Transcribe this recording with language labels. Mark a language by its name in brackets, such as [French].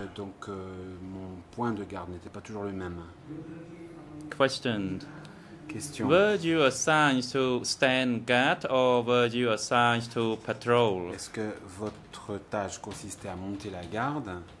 [French] Donc mon point de garde n'était pas toujours le même. Question. [English] Were you assigned to stand guard or were you assigned to patrol? [French] Est-ce que votre tâche consistait à monter la garde